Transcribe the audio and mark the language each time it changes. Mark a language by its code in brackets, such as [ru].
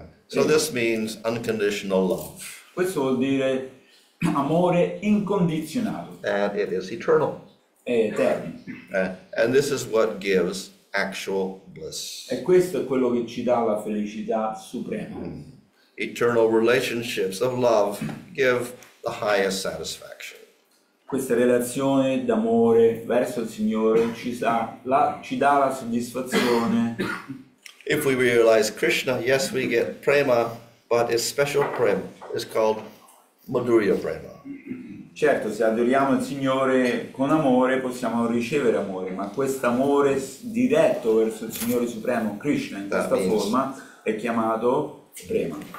[en] So this means unconditional love. [it] Questo vuol dire amore incondizionato. [en] And it is eternal. [it] È eterno. [en] And this is what gives actual bliss. [it] E questo è quello che ci dà la felicità suprema. [en] Eternal relationships of love give the highest satisfaction. [it] Questa relazione d'amore verso il Signore ci dà la soddisfazione. [en] If we realize Krishna, yes, we get prema, but it's special prema. It's called Madhurya Prema. [it] Certo, se adoriamo il Signore con amore possiamo ricevere amore, ma questo amore diretto verso il Signore Supremo Krishna in questa forma è chiamato Prema.